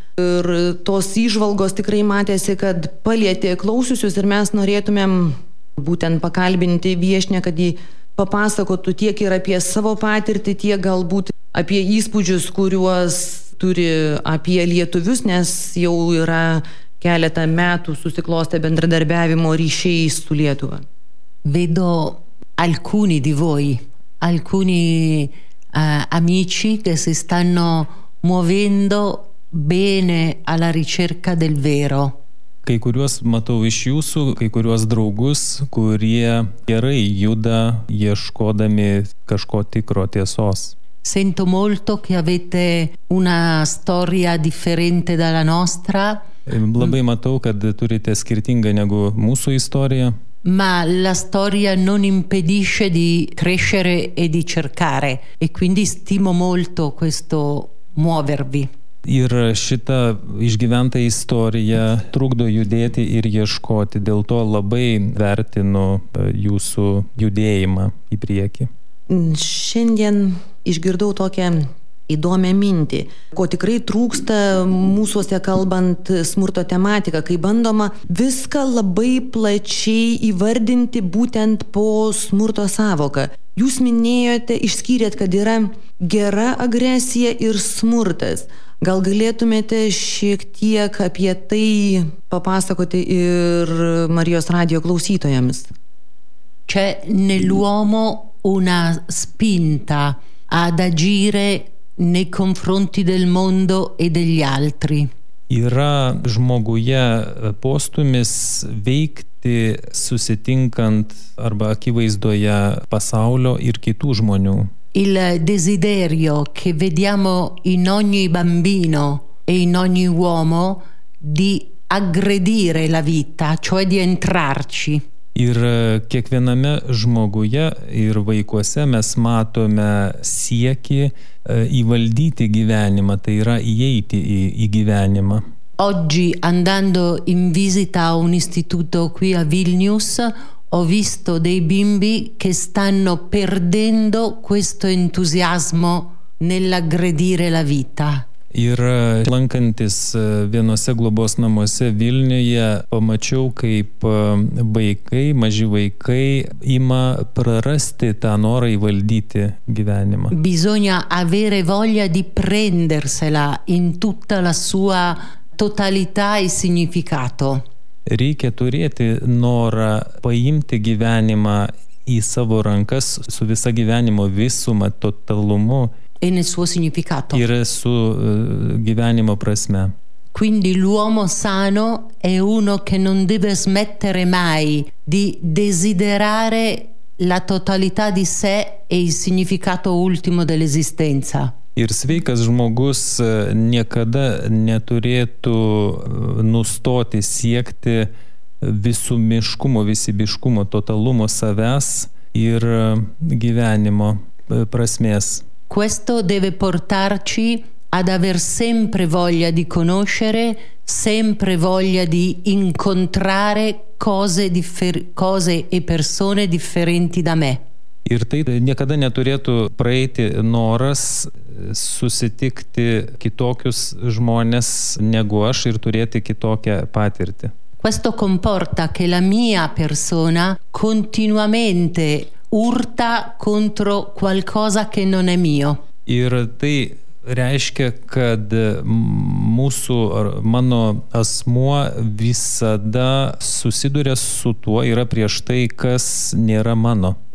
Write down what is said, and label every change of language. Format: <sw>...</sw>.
<lt>Ir tos įžvalgos tikrai matėsi, kad palietė klausiusius ir mes norėtumėm būtent pakalbinti viešnę, kad ji papasakotų tiek ir apie savo patirtį, tiek galbūt apie įspūdžius, kuriuos turi apie lietuvius, nes jau yra keletą metų susiklostė bendradarbiavimo ryšiai su Lietuva.</lt> <it>Vedo alcuni di voi, alcuni amici che si stanno muovendo bene alla ricerca del vero.</it> <lt>Kai kuriuos matau iš jūsų, kai kuriuos draugus, kurie gerai juda ieškodami kažko tikro tiesos.</lt> <it>Sento molto che avete una storia differente dalla nostra.</it> <lt>Labai matau, kad turite skirtingą negu mūsų istoriją.</lt> <it>Ma la storia non impedisce di crescere e di cercare. E quindi stimo molto questo muovervi.</it> <lt>Ir šita išgyventa istorija trukdo judėti ir ieškoti. Dėl to labai vertinu jūsų judėjimą į priekį. Šiandien išgirdau tokią įdomią mintį, ko tikrai trūksta mūsuose kalbant smurto tematiką, kai bandoma viską labai plačiai įvardinti būtent po smurto sąvoką. Jūs minėjote, išskyrėt, kad yra gera agresija ir smurtas. Gal galėtumėte šiek tiek apie tai papasakoti ir Marijos radijo klausytojams?</lt> <it>Čia nell'uomo una spinta ad agire nei confronti del mondo e degli altri.</it> <lt>Yra žmoguje postumis veikti susitinkant arba akivaizdoje pasaulio ir kitų žmonių.</lt> <it>Il desiderio che vediamo in ogni bambino e in ogni uomo di aggredire la vita, cioè di entrarci.</it> <lt>Ir kiekviename žmoguje ir vaikuose mes matome siekį įvaldyti gyvenimą, tai yra įeiti į gyvenimą.</lt> <it>Oggi andando in visita a un istituto qui a Vilnius ho visto dei bimbi che stanno perdendo questo entusiasmo nell'aggredire la vita.</it> <lt>Ir lankantis vienose globos namuose Vilniuje, pamačiau, kaip vaikai, maži vaikai, ima prarasti tą norą įvaldyti gyvenimą.</lt> <it>Bisogna avere voglia di prendersela in tutta la sua totalità e significato.</it> <lt>Reikia turėti norą paimti gyvenimą į savo rankas su visa gyvenimo visuma, totalumu.</lt> <it>E nel suo significato.</it> <lt>Ir su gyvenimo prasme.</lt> <it>Quindi l'uomo sano è uno che non deve smettere mai di desiderare la totalità di sé e il significato ultimo dell'esistenza.</it> <lt>Ir sveikas žmogus niekada neturėtų nustoti siekti visumiškumo, visibiškumo, totalumo savęs ir gyvenimo prasmės.</lt> <it>Questo deve portarci ad aver sempre voglia di conoscere, sempre voglia di incontrare cose e persone differenti da me.</it> <lt>Ir tai niekada neturėtų praeiti noras susitikti kitokius žmones negu aš ir turėti kitokią patirtį.</lt> <it>Questo comporta che la mia persona continuamente urta contro qualcosa che non è mio.</it> <lt>Ir tai reiškia, kad mūsų ar mano asmuo visada susiduria su tuo, yra prieš tai, kas nėra mano.</lt>